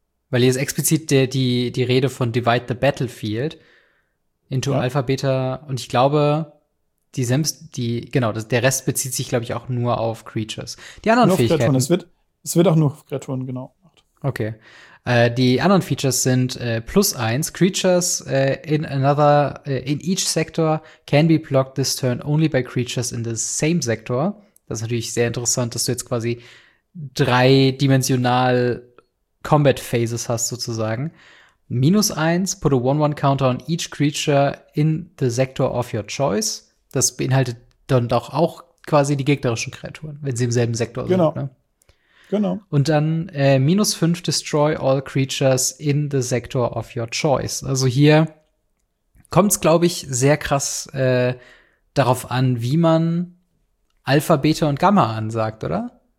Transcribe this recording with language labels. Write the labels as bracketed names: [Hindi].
[German] Weil hier ist explizit die Rede von [English] Divide the Battlefield into Alpha, Beta. [German] Und ich glaube, der Rest bezieht sich, glaube ich, auch nur auf Creatures. Die anderen Fähigkeiten. Es wird auch nur auf Kreaturen, genau. Okay. Die anderen Features sind plus eins. [English] Creatures in each sector can be blocked this turn only by creatures in the same sector. [German] Das ist natürlich sehr interessant, dass du jetzt quasi dreidimensional Combat Phases hast sozusagen. Minus eins, [English] put a 1-1 counter on each creature in the sector of your choice. [German] Das beinhaltet dann doch auch quasi die gegnerischen Kreaturen, wenn sie im selben Sektor sind. Genau. Ne? Genau. Und dann minus 5, [English] destroy all creatures in the sector of your choice. [German] Also hier kommt's, glaube ich, sehr krass darauf an, wie man Alpha, Beta und Gamma ansagt, oder?